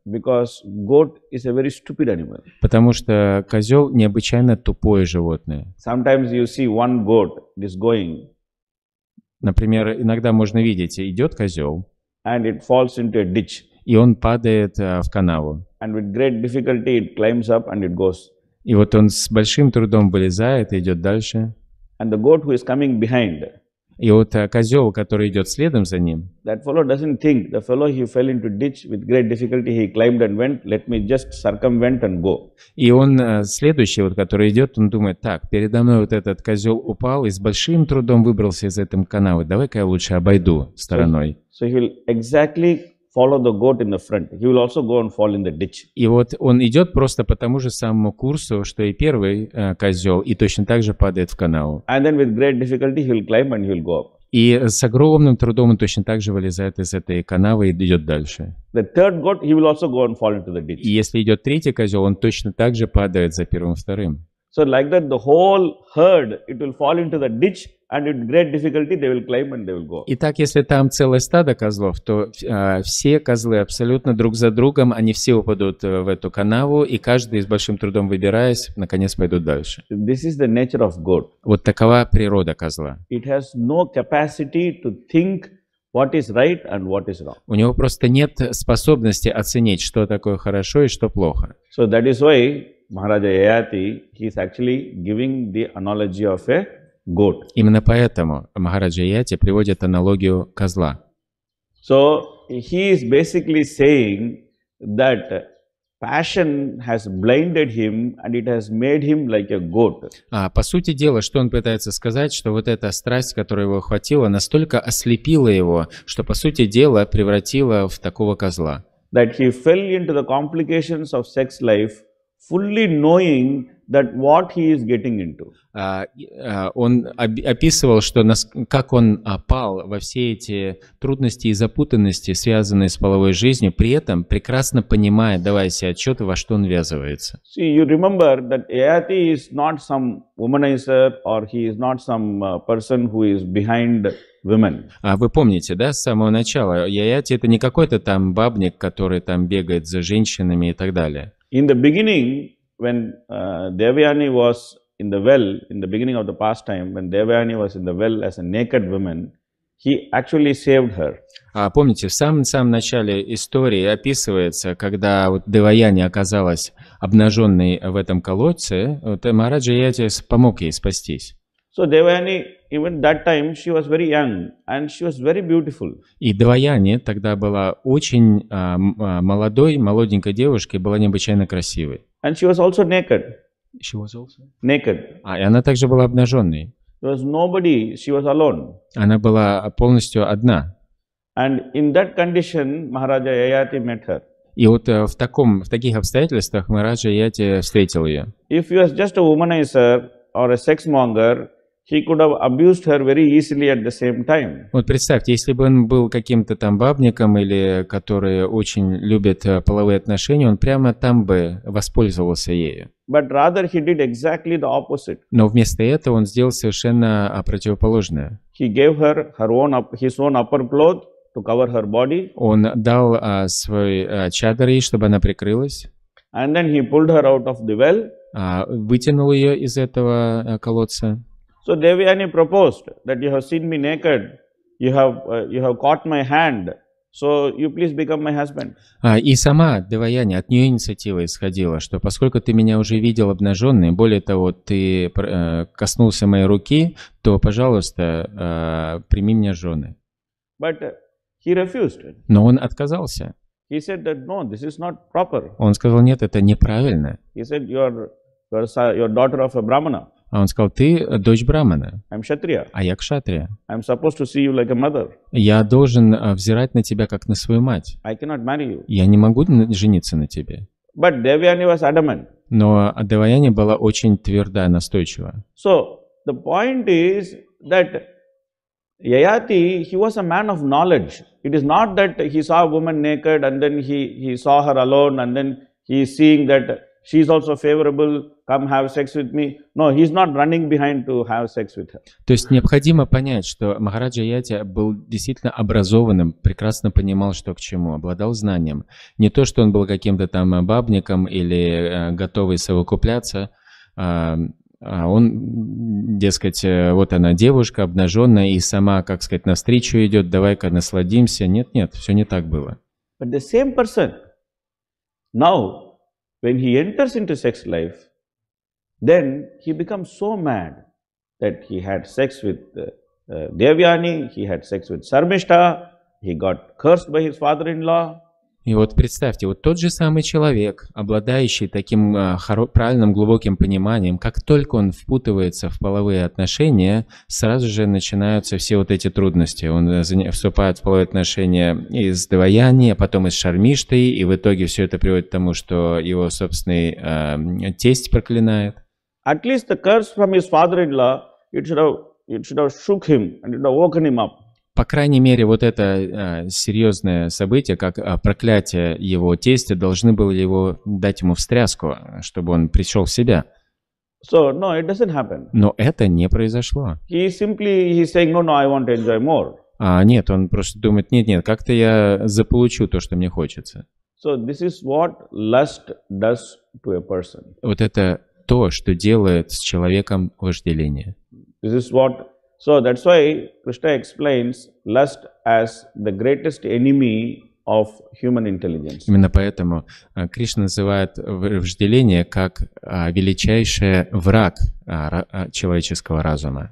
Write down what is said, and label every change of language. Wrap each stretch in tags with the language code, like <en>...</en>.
<en>Because goat is a very stupid animal.</en> <ru>Потому что козел необычайно тупое животное.</ru> <en>Sometimes you see one goat is going.</en> <ru>Например, иногда можно видеть, идет козел.</ru> <en>And it falls into a ditch.</en> <ru>И он падает в канаву.</ru> <en>And with great difficulty it climbs up and it goes.</en> <ru>И вот он с большим трудом вылезает и идет дальше.</ru> <en>And the goat who is coming behind.</en> <ru>И вот козел, который идет следом за ним.</ru> <en>That fellow doesn't think. The fellow he fell into ditch with great difficulty he climbed and went. Let me just circumvent and go.</en> <ru>И он следующий, вот, который идет, он думает: так, передо мной вот этот козел упал и с большим трудом выбрался из этой канавы. Давай-ка я лучше обойду стороной.</ru> <en>So he will exactly follow the goat in the front. He will also go and fall in the ditch.</en> <ru>И вот он идет просто по тому же самому курсу, что и первый козел, и точно так же падает в канаву.</ru> <en>And then with great difficulty he will climb and he will go up.</en> <ru>И с огромным трудом он точно так же вылезает из этой канавы и идет дальше.</ru> <en>The third goat, he will also go and fall into the ditch.</en> <ru>И если идет третий козел, он точно так же падает за первым и вторым.</ru> <en>So like that the whole herd, it will fall into the ditch. And with great difficulty they will climb and they will go.</en> <ru>Итак, если там целое стадо козлов, то все козлы абсолютно друг за другом, они все упадут в эту канаву, и каждый с большим трудом выбираясь, наконец пойдут дальше.</ru> <en>This is the nature of goat.</en> <ru>Вот такова природа козла.</ru> <en>It has no capacity to think what is right and what is wrong.</en> <ru>У него просто нет способности оценить, что такое хорошо и что плохо.</ru> <en>So that is why Maharaja Yayati, he is actually giving the analogy of a goat.</en> <ru>Именно поэтому Махараджа Яти приводит аналогию козла.</ru> <en>So he is basically saying that passion has blinded him and it has made him like a goat.</en> <ru>А по сути дела, что он пытается сказать, что вот эта страсть, которая его охватила, настолько ослепила его, что по сути дела превратила в такого козла.</ru> <en>That he fell into the complications of sex life, fully knowing that what he is getting into.</en> <ru>Он описывал, что как он пал во все эти трудности и запутанности, связанные с половой жизнью, при этом прекрасно понимая, давая себе отчет, во что он ввязывается.</ru> <en>See, you remember that Yayati is not some womanizer, or he is not some person who is behind women.</en> <ru>Вы помните, да, с самого начала, Yayati это не какой-то там бабник, который там бегает за женщинами и так далее.</ru> <en>In the beginning, when Devayani was in the well, in the beginning of the pastime, when Devayani was in the well as a naked woman, he actually saved her.</en> <ru>Помните, в самом начале истории описывается, когда вот Девайяни оказалась обнаженной в этом колодце, вот Махараджа Яти помог ей спастись.</ru> <en>So Devayani, even that time, she was very young and she was very beautiful.</en> <ru>И Девайяни тогда была очень молодой, молоденькой девушкой, была необычайно красивой.</ru> <en>And she was also naked. She was also naked.</en> <ru>И она также была обнаженной.</ru> <en>There was nobody. She was alone.</en> <ru>Она была полностью одна.</ru> <en>And in that condition, Maharaja Yayati met her.</en> <ru>И вот в таких обстоятельствах Махараджа Яти встретил ее.</ru> <en>If he was just a womanizer or a sex monger, he could have abused her very easily at the same time.</en> <ru>Вот представьте, если бы он был каким-то там бабником или который очень любит половые отношения, он прямо там бы воспользовался ею.</ru> <en>But rather he did exactly the opposite.</en> <ru>Но вместо этого он сделал совершенно противоположное.</ru> <en>He gave her his own upper cloth to cover her body.</en> <ru>Он дал свой чадар ей, чтобы она прикрылась.</ru> <en>And then he pulled her out of the well.</en> <ru>Вытянул ее из этого колодца.</ru> <en>So Devayani proposed that you have seen me naked, you have caught my hand, so you please become my husband.</en> <ru>И сама Девайяни, от нее инициатива исходила, что поскольку ты меня уже видел обнаженной, более того, ты коснулся моей руки, то, пожалуйста, прими меня жены.</ru> <en>But he refused.</en> <ru>Но он отказался.</ru> <en>He said that no, this is not proper.</en> <ru>Он сказал: нет, это неправильно.</ru> <en>He said you are daughter of a brahmana.</en> <ru>А он сказал: ты дочь брахмана.</ru> <en>I'm kshatriya.</en> <ru>А я кшатрия.</ru> <en>I'm supposed to see you like a mother.</en> <ru>Я должен взирать на тебя как на свою мать.</ru> <en>I cannot marry you.</en> <ru>Я не могу жениться на тебе.</ru> <en>But Devayani was adamant.</en> <ru>Но Девайяни была очень твердая, настойчива.</ru> <en>So the point is that Yayati, he was a man of knowledge. It is not that he saw a woman naked and then he saw her alone and then he is seeing that she is also favorable, come have sex with me. No, he is not running behind to have sex with her.</en> <ru>То есть необходимо понять, что Махараджа Яти был действительно образованным, прекрасно понимал, что к чему, обладал знанием. Не то, что он был каким-то там бабником или готовый совокупляться, а он, дескать, вот она девушка обнаженная и сама, как сказать, навстречу идет, давай-ка насладимся. Нет, нет, все не так было.</ru> <en>But the same person, now, when he enters into sex life, then he becomes so mad that he had sex with Devyani, he had sex with Sarmishta, he got cursed by his father-in-law.</en> <ru>И вот представьте, вот тот же самый человек, обладающий таким правильным глубоким пониманием, как только он впутывается в половые отношения, сразу же начинаются все вот эти трудности. Он вступает в половые отношения и с Девьяни, а потом и с Шармиштой, и в итоге все это приводит к тому, что его собственный тесть проклинает.</ru> <en>At least the curse from his father-in-law, it should have shook him and it have woken him up.</en> <ru>По крайней мере, вот это серьезное событие, как проклятие его тестя, должны были его дать ему встряску, чтобы он пришел в себя.</ru> <en>So, no, it doesn't happen.</en> <ru>Но это не произошло.</ru> <en>He simply, he's saying, no, no, I want to enjoy more.</en> <ru>А, нет, он просто думает, нет-нет, как-то я заполучу то, что мне хочется.</ru> <en>So, this is what lust does to a person.</en> <ru>Вот это то, что делает с человеком вожделение.</ru> <en>This is what... So that's why Krishna explains lust as the greatest enemy of human intelligence.</en> <ru>Именно поэтому Кришна называет вожделение как величайший враг человеческого разума.</ru>